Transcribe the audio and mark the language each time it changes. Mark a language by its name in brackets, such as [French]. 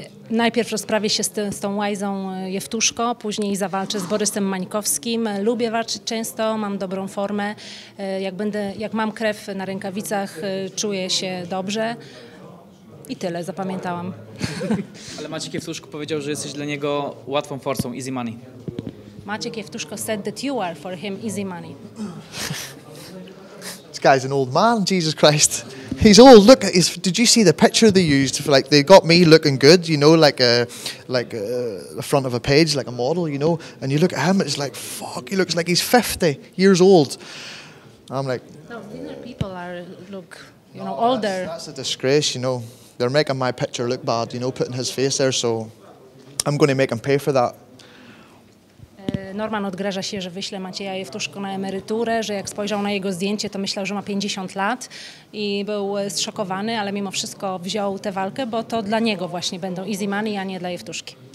[Polish] Najpierw rozprawię się z tą łajzą Jewtuszko, później zawalczę z Borysem Mańkowskim. Lubię walczyć często, mam dobrą formę. Jak mam krew na rękawicach, czuję się dobrze. I tyle, zapamiętałam. Ale Maciek Jewtuszko powiedział, że jesteś dla niego łatwą forsą, [English] easy money. Maciek Jewtuszko said that you are for him easy money. This guy's an old man, Jesus Christ. He's old. Look, did you see the picture they used? Like, they got me looking good, you know, like the front of a page, like a model, you know. And you look at him, it's like, fuck, he looks like he's 50 years old. I'm like, no, thinner people look, you know, older. That's a disgrace, you know. they're making my picture look bad, you know, putting his face there, so I'm going to make him pay for that. [Polish] Norman odgraża się, że wyśle Macieja Jewtuszko na emeryturę, że jak spojrzał na jego zdjęcie, to myślał, że ma 50 lat i był zszokowany, ale mimo wszystko wziął tę walkę, bo to dla niego właśnie będą [English] easy money, [Polish] a nie dla Jewtuszki.